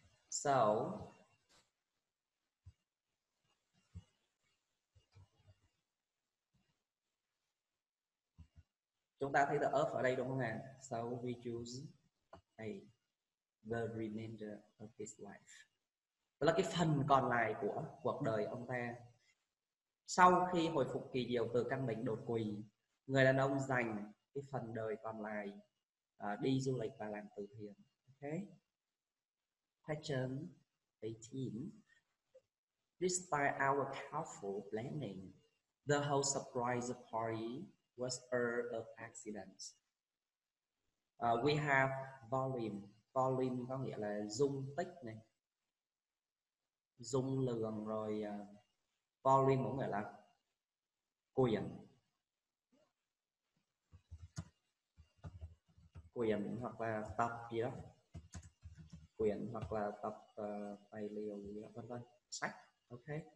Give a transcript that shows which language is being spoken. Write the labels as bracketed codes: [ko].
[vi] So, chúng ta thấy the earth ở đây đúng không ạ? [en] So we choose A, the remainder of his life. [vi] Đó là cái phần còn lại của cuộc đời ông ta. Sau khi hồi phục kỳ diệu từ căn bệnh đột quỵ, người đàn ông dành cái phần đời còn lại đi du lịch và làm từ thiện. [en] Okay. Question 18. Despite our careful planning, the whole surprise party was a accident. We have volume. [vi] Volume có nghĩa là dung tích này, dung lượng, rồi volume có nghĩa là quyển, quyển hoặc là tập gì đó, quyển hoặc là tập tài liệu gì đó, vân vân, sách. Ok.